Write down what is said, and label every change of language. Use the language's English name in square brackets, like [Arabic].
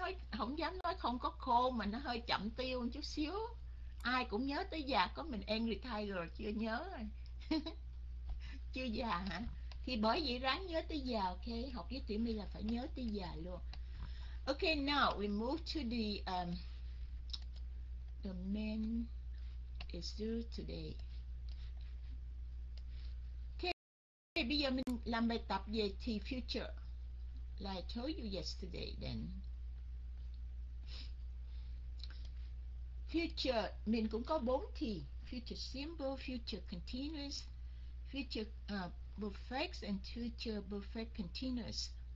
[Vietnamese] Không dám nói không có khôn mà nó hơi chậm tiêu một chút xíu. Ai cũng nhớ tới già, có mình angry tiger chưa nhớ rồi. Chưa già hả? Thì bởi vậy ráng nhớ tới già, ok, học với Tiểu My là phải nhớ tới già luôn. [English] Ok, now we move to the main issue today. [Vietnamese] Bây giờ mình làm bài tập về [English] the future. Like I told you yesterday then. Future, [Vietnamese] mình cũng có bốn thì [English] future simple, future continuous, future perfect and future perfect continuous.